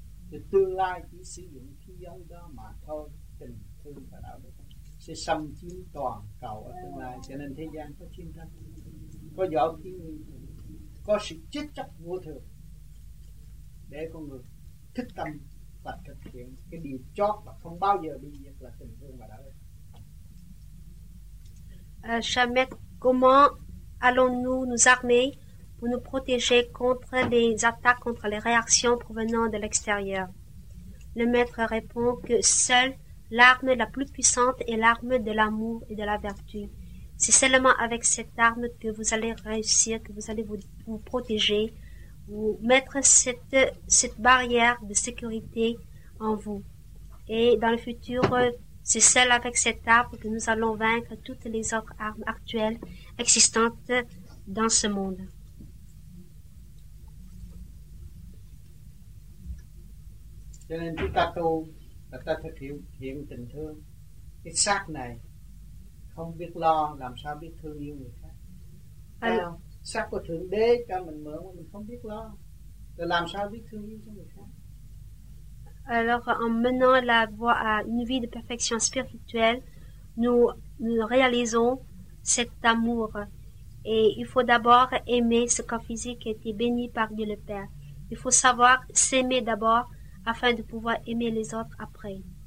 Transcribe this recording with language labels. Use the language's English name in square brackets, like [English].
[Vietnamese] Thì tương lai chỉ sử dụng khí giới đó mà thôi, tình thương và đạo đức sẽ xâm chiếm toàn cầu ở tương lai. Cho nên thế gian có chiến tranh, có võ khí, có sự chết chóc vô thường, để con người thích tâm và thực hiện cái điều chót và không bao giờ bị diệt là tình thương và đạo đức. [French] Chamet, comment allons-nous nous armer pour nous protéger contre les attaques, contre les réactions provenant de l'extérieur? Le maître répond que seul l'arme la plus puissante est l'arme de l'amour et de la vertu. C'est seulement avec cette arme que vous allez réussir, que vous allez vous protéger, ou mettre cette barrière de sécurité en vous. Et dans le futur, c'est seul avec cette arme que nous allons vaincre toutes les autres armes actuelles existantes dans ce monde. [Vietnamese] Là ta thực hiện tình thương. Cái xác này không biết lo, làm sao biết thương yêu người khác. Thấy không? Xác của Thượng Đế cho mình mượn mà mình không biết lo, rồi làm sao biết thương yêu cho người khác. [French] Alors en menant la voie à une vie de perfection spirituelle, nous réalisons cet amour. Et il faut d'abord aimer ce corps physique qui a été béni par Dieu le Père. Il faut savoir s'aimer d'abord afin de pouvoir aimer les autres après.